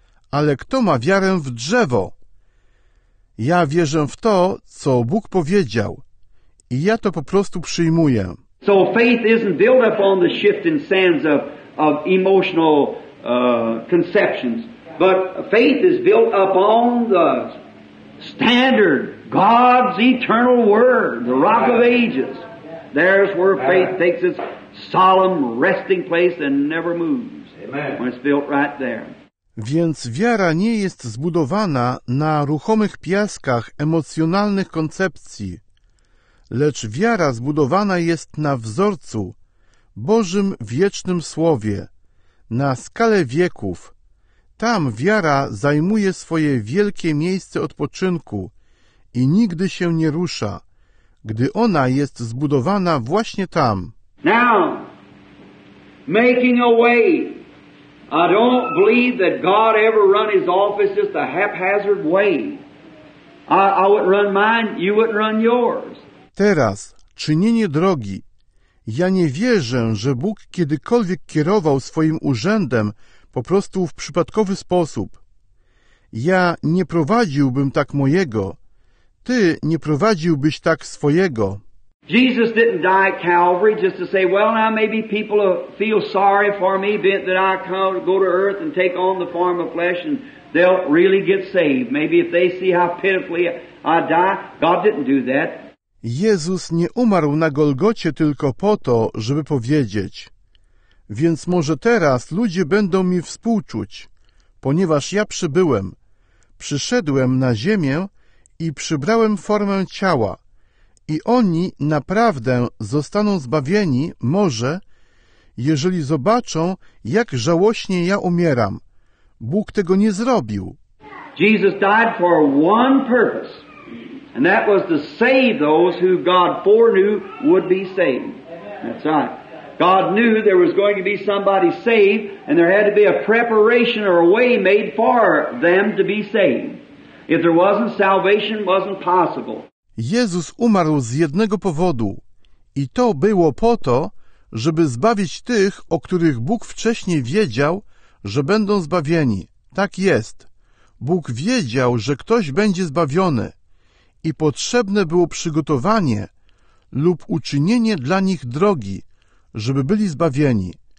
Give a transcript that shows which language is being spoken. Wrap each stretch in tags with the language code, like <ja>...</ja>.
<pl>Ale kto ma wiarę w drzewo? Ja wierzę w to, co Bóg powiedział. I ja to po prostu przyjmuję.</pl> <en>So faith isn't built up on the shifting sands of emotional conceptions. But faith is built upon the standard, God's eternal word, the rock of ages. There's where faith takes its solemn resting place and never moves. Amen. When it's built right there.</en> <pl>Więc wiara nie jest zbudowana na ruchomych piaskach emocjonalnych koncepcji, lecz wiara zbudowana jest na wzorcu, Bożym wiecznym Słowie, na skalę wieków. Tam wiara zajmuje swoje wielkie miejsce odpoczynku i nigdy się nie rusza, gdy ona jest zbudowana właśnie tam.</pl> <en>Now, making a way. I don't believe that God ever run his office just a haphazard way. I wouldn't run mine, you wouldn't run yours.</en> <pl>Teraz, czynienie drogi. Ja nie wierzę, że Bóg kiedykolwiek kierował swoim urzędem po prostu w przypadkowy sposób. Ja nie prowadziłbym tak mojego. Ty nie prowadziłbyś tak swojego.</pl> <en>Jesus didn't die at Calvary just to say, well, now maybe people feel sorry for me that I come go to earth and take on the form of flesh and they'll really get saved. Maybe if they see how pitifully I die. God didn't do that.</en> <pl>Jezus nie umarł na Golgocie tylko po to, żeby powiedzieć, więc może teraz ludzie będą mi współczuć, ponieważ ja przybyłem, przyszedłem na ziemię i przybrałem formę ciała. I oni naprawdę zostaną zbawieni, może, jeżeli zobaczą, jak żałośnie ja umieram. Bóg tego nie zrobił.</pl> <en>Jesus died for one purpose, and that was to save those who God foreknew would be saved. That's right. God knew there was going to be somebody saved, and there had to be a preparation or a way made for them to be saved. If there wasn't, salvation wasn't possible.</en> <pl>Jezus umarł z jednego powodu i to było po to, żeby zbawić tych, o których Bóg wcześniej wiedział, że będą zbawieni. Tak jest. Bóg wiedział, że ktoś będzie zbawiony i potrzebne było przygotowanie lub uczynienie dla nich drogi, żeby byli zbawieni.</pl>